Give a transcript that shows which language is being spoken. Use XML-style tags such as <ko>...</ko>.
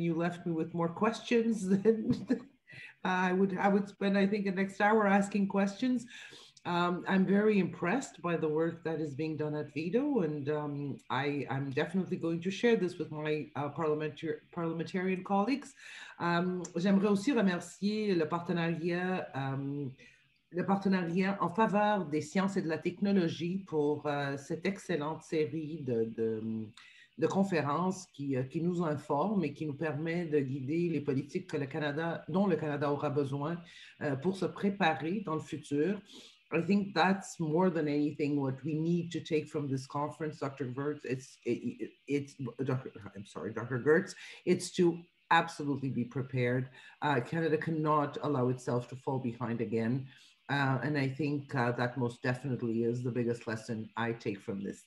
<en>You left me with more questions than I would spend, I think, the next hour asking questions. I'm very impressed by the work that is being done at VIDO, and I'm definitely going to share this with my parliamentarian colleagues.</en> <fr>J'aimerais aussi remercier le partenariat en faveur des sciences et de la technologie pour cette excellente série de conférences qui nous informe et qui nous permet de guider les politiques dont le Canada aura besoin pour se préparer dans le futur.</fr> <en>I think that's more than anything what we need to take from this conference, Dr. Gerdts. Dr. Gerdts. It's to absolutely be prepared. Canada cannot allow itself to fall behind again. And I think that most definitely is the biggest lesson I take from this.</en>